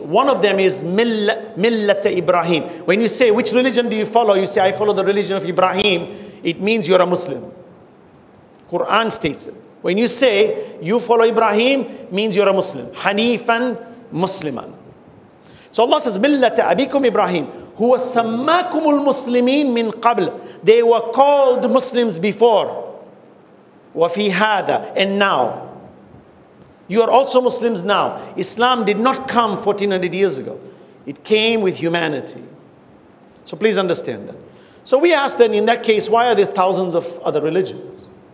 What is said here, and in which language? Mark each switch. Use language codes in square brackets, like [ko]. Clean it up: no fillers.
[en] One of them is [ar] ملت إبراهيم. [en] When you say, which religion do you follow? You say, I follow the religion of Ibrahim. It means you're a Muslim. Quran states it. When you say, you follow Ibrahim, means you're a Muslim. Hanifan, Musliman. So Allah says, [ar] ملت أبيكم إبراهيم. هو سماكم المسلمين من قبل. [en] They were called Muslims before. [ar] وفي هذا. [en] And now. You are also Muslims now. Islam did not come 1400 years ago. It came with humanity. So please understand that. So we ask then, in that case, why are there thousands of other religions?